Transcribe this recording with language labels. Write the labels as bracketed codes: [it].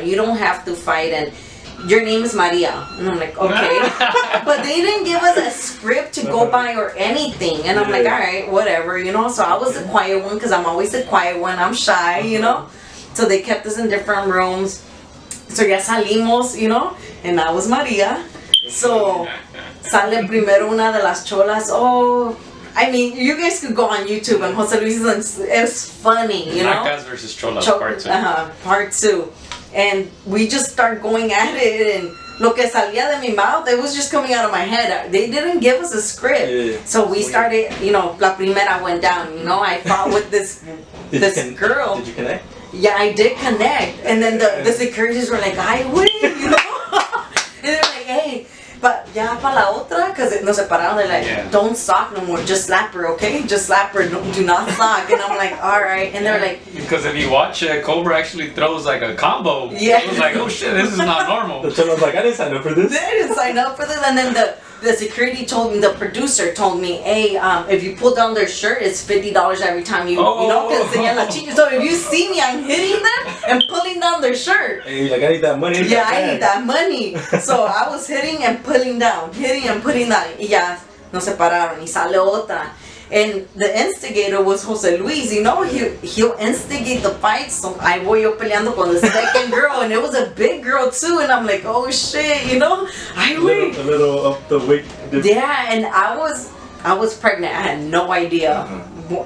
[en] You don't have to fight. And your name is Maria. And I'm like, okay. But they didn't give us a script to go by or anything. And I'm like, all right, whatever, you know. So I was the quiet one because I'm always the quiet one. I'm shy, you know. So they kept us in different rooms. So [es] ya salimos, [en] you know. And that was Maria. [es] So sale primero una de las cholas. [en] Oh. I mean, you guys could go on YouTube and Jose Luis, it's funny, you know? Nacas versus Cholas, part 2. Part 2. And we just start going at it, and [es] lo que salía de mi [en] mouth, it was just coming out of my head. They didn't give us a script. Yeah. So we started, you know, [es] la primera [en] went down, you know? I fought with this girl. Did you connect? Yeah, I did connect. And then the securities were like, I win, you know? And they're like, hey. But yeah, [es] pa la otra, [en] because [es] no se pararon, [en] they're like, don't sock no more, just slap her, okay? Just slap her, do not sock. And I'm like, all right. And they're like, because if you watch it, Cobra actually throws like a combo. Yeah. It was like, oh shit, this is not normal. The channel's like, I didn't sign up for this. And then the security told me, the producer told me, hey, if you pull down their shirt, it's $50 every time you know, because they're Latino. So if you see me, I'm hitting them and pulling down their shirt. And you're like, I need that money. I need that money. So I was hitting and pulling down. [es] Yeah, no se pararon. Y sale otra. [en] And the instigator was Jose Luis, you know, he'll instigate the fight. So I [es] voy yo peleando con [en] the second girl, and it was a big girl too. And I'm like, oh shit, you know, a little up the weight. Yeah, and I was pregnant. I had no idea. Mm-hmm.